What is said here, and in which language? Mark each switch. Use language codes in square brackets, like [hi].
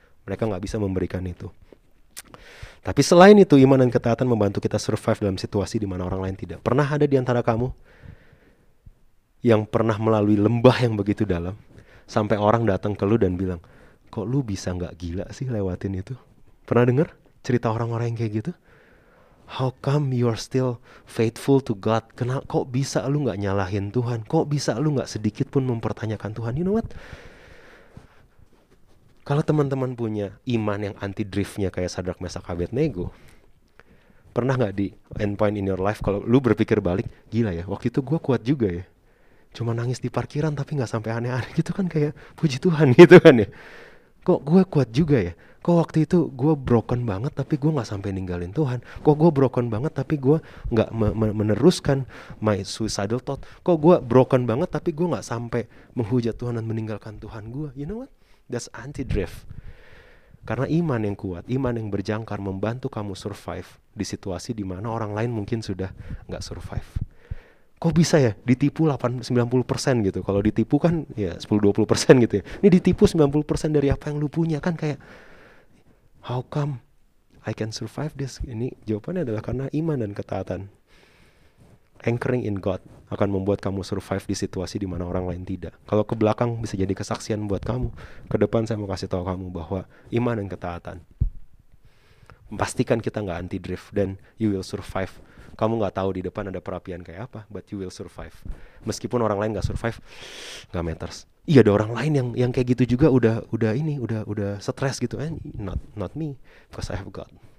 [id] Mereka gak bisa memberikan itu. Tapi selain itu, iman dan ketaatan membantu kita survive dalam situasi di mana orang lain tidak. Pernah ada di antara kamu yang pernah melalui lembah yang begitu dalam, sampai orang datang ke lu dan bilang, kok lu bisa gak gila sih lewatin itu? Pernah dengar cerita orang-orang yang kayak gitu? [en] How come you're still faithful to God? [id] Kenapa kok bisa lu gak nyalahin Tuhan? Kok bisa lu gak sedikit pun mempertanyakan Tuhan? [en] You know what? [id] Kalau teman-teman punya iman yang anti-driftnya kayak Sadrak, Mesak, Abednego, pernah gak di [en] end point in your life [id] kalau lu berpikir balik, gila ya, waktu itu gue kuat juga ya. Cuma nangis di parkiran tapi gak sampai aneh-aneh gitu kan, kayak puji Tuhan gitu kan ya. Kok gue kuat juga ya? kok waktu itu gue broken banget tapi gue gak sampai ninggalin Tuhan, kok gue broken banget tapi gue gak meneruskan [en] my suicidal thought, [id] kok gue broken banget tapi gue gak sampai menghujat Tuhan dan meninggalkan Tuhan gue. [en] You know what? That's anti-drift. [id] Karena iman yang kuat, iman yang berjangkar membantu kamu survive di situasi di mana orang lain mungkin sudah gak survive. Kok bisa ya ditipu 80-90% gitu. Kalau ditipu kan ya 10-20% gitu ya. Ini ditipu 90% dari apa yang lu punya. Kan kayak, [en] how come I can survive this? [id] Ini jawabannya adalah karena iman dan ketaatan. [en] Anchoring in God [id] akan membuat kamu survive di situasi di mana orang lain tidak. Kalau ke belakang bisa jadi kesaksian buat kamu, ke depan saya mau kasih tahu kamu bahwa iman dan ketaatan pastikan kita gak anti-drift dan [en] you will survive. [id] Kamu gak tahu di depan ada perapian kayak apa, [en] but you will survive. [id] Meskipun orang lain gak survive, gak matters. Iya, ada orang lain yang kayak gitu juga udah stres gitu. [en] And not me, because I have God.